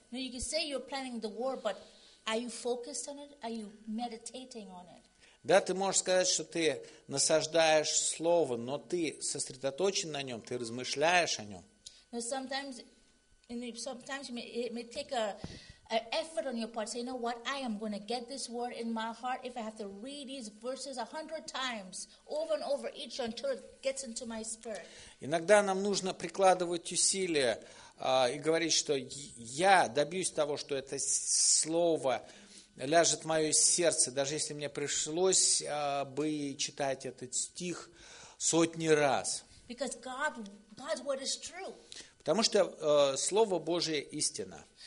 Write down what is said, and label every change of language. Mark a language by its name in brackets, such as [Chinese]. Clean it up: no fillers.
[English] Now you can say you're planning the war, but are you focused on it? Are you meditating on it? [Russian] Да, ты можешь сказать, что ты насаждаешь слово, но ты сосредоточен на нем, ты размышляешь о нем. [English] Now sometimes. And sometimes it may take an effort on your part. Say, you know what? I am going to get this word in my heart if I have to read these verses 100 times over and over each until it gets into my spirit. [Russian] Иногда нам нужно прикладывать усилия и говорить, что я добьюсь того, что это слово ляжет в мое сердце, даже если мне пришлось бы читать этот стих сотни раз. [English] Because God's word is true. [Russian] Потому что Слово Божие – истина.